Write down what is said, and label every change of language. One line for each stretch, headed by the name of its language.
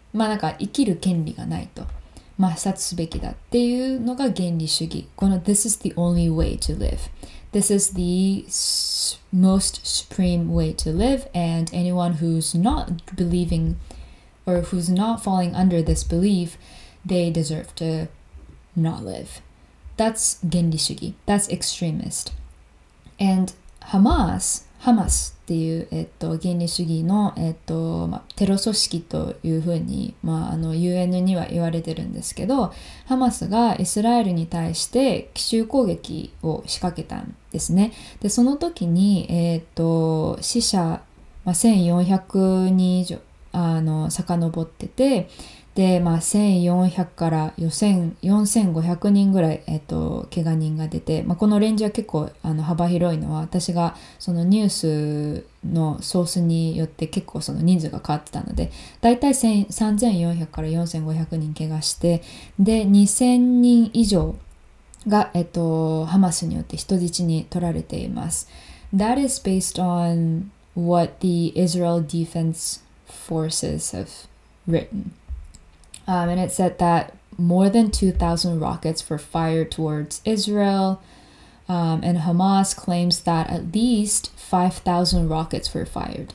Japanese: まあ、なんか生きる権利がないと。抹殺すべきだっていうのが原理主義。
English: この This is the only way to live. This is the most supreme way to live. And anyone who's not believing or who's not falling under this belief, they deserve to not live. That's 原理主義。That's extremist.
Japanese: And Hamas っていう、原理主義の、まあ、テロ組織というふうに、まあ、UN には言われてるんですけど、ハマスがイスラエルに対して奇襲攻撃を仕掛けたんですね。で、その時に、死者、まあ、1400人以上遡ってて、で、まあ、1400から4500人ぐらい、怪我人が出て、まあ、このレンジは結構幅広いのは、私がそのニュースのソースによって結構その人数が変わってたので、だいたい3400から4500人怪我して、で、2000人以上が、ハマスによって人質に取られています。
English: That is based on what the Israel Defense Forces have written. And it said that more than 2,000 rockets were fired towards Israel. And Hamas claims that at least 5,000 rockets were fired.